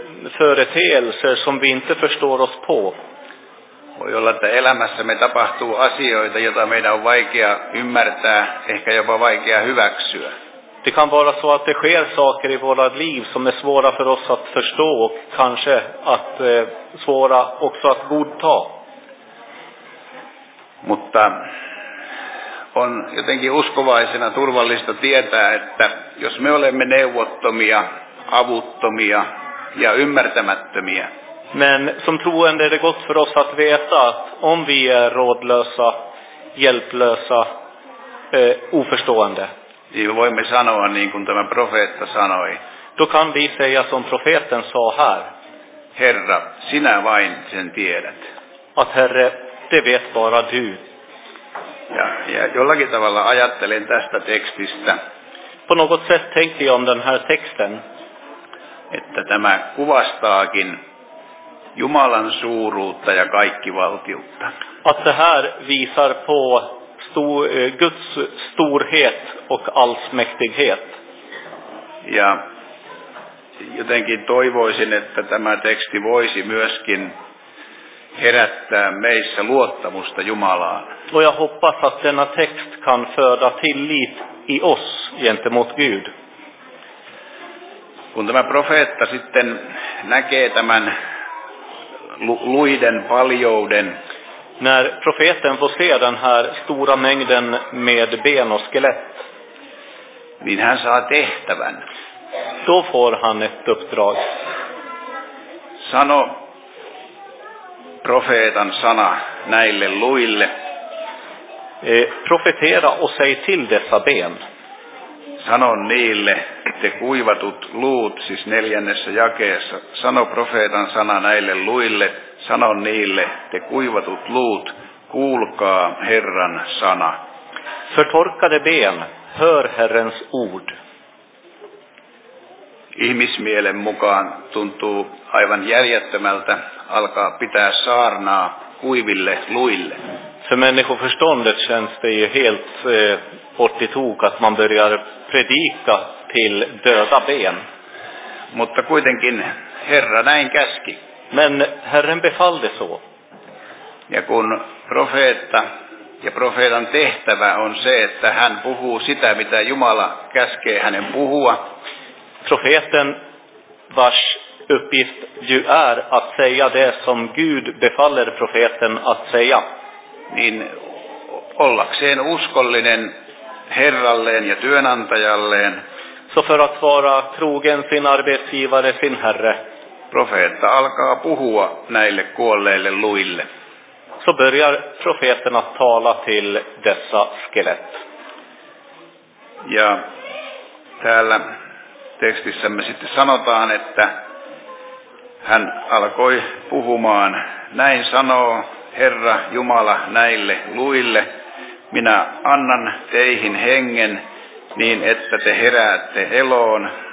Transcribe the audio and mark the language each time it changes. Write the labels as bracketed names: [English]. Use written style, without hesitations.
[Swedish] företeelser som vi inte förstår oss på. [Finnish] Voi olla, että elämässämme tapahtuu asioita, joita meidän on vaikea ymmärtää, ehkä jopa vaikea hyväksyä. [Swedish] Det kan vara så att det sker saker i våra liv som är svåra för oss att förstå och kanske att svåra också att godta. [Finnish] Mutta on jotenkin uskovaisena turvallista tietää, että jos me olemme neuvottomia, avuttomia ja ymmärtämättömiä. [Swedish] Men som troende är det gott för oss att veta att om vi är rådlösa, hjälplösa, oförstående. [Finnish] Niin me voimme sanoa niin kuin tämä profeetta sanoi. [Swedish] Då kan vi säga som profeten sa här. [Finnish] Herra, sinä vain sen tiedät. [Swedish] Att Herre, det vet bara du. [Finnish] Ja jollakin tavalla ajattelin tästä tekstistä. [Swedish] På något sätt tänkte jag om den här texten. [Finnish] Että tämä kuvastaakin Jumalan suuruutta ja kaikkivaltiutta. [Swedish] Att det här visar på Guds storhet och allsmäktighet. [Finnish] Ja jotenkin toivoisin, että tämä teksti voisi myöskin herättää meissä luottamusta Jumalaan. [Swedish] Och jag hoppas att denna text kan föda tillit i oss gentemot Gud. [Finnish] Kun tämä profeetta sitten näkee tämän luiden paljouden. [Swedish] När profeten får se den här stora mängden med ben och skelett. [Finnish] Niin hän saa tehtävän. [Swedish] Då får han ett uppdrag. [Finnish] Sano profeetan sana näille luille. [Swedish] Profetera och säg till dessa ben. [Finnish] Sano niille, te kuivatut luut, siis neljännessä jakeessa. Sano profeetan sana näille luille. Sano niille, te kuivatut luut, kuulkaa Herran sana. [Swedish] Förtorkade ben, hör Herrens ord. [Finnish] Ihmismielen mukaan tuntuu aivan järjettömältä alkaa pitää saarnaa kuiville luille. [Swedish] För människoförståndet känns det ju helt bort i tok att man börjar predika till döda ben. [Finnish] Mutta kuitenkin Herra näin käski. [Swedish] Men Herren befallde så. [Finnish] Ja kun profeetta ja profeetan tehtävä on se, että hän puhuu sitä, mitä Jumala käskee hänen puhua. [Swedish] Profeten vars uppgift ju är att säga det som Gud befaller profeten att säga. [Finnish] Niin ollakseen uskollinen Herralleen ja työnantajalleen. [Swedish] Så för att vara trogen sin arbetsgivare, sin Herre. [Finnish] Profeetta alkaa puhua näille kuolleille luille. [Swedish] Så börjar profeten att tala till dessa skelett. [Finnish] Ja täällä tekstissämme sitten sanotaan, että hän alkoi puhumaan. Näin sanoo Herra Jumala näille luille. Minä annan teihin hengen, niin että te heräätte eloon.